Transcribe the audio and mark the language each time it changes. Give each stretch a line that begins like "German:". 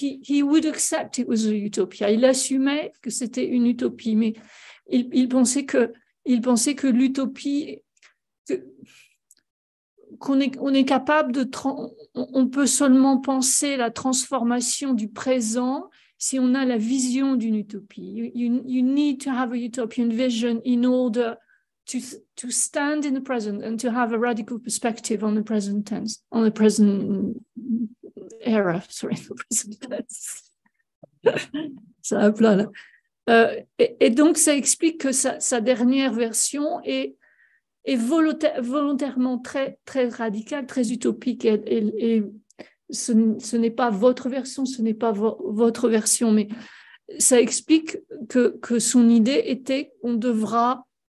English: He would accept it was a utopia.
French: Il assumait que c'était une utopie, mais il pensait que l'utopie... On peut seulement penser la transformation du présent si on a la vision d'une utopie.
English: You need to have a utopian vision in order to stand in the present and to have a radical perspective on the present tense, on the present era, sorry, the present tense.
French: Ça a plein là. Et donc ça explique que sa dernière version est volontairement très, très radical, très utopique. Et ce n'est pas votre version, ce n'est pas votre version, mais ça explique que son idée était qu'on devra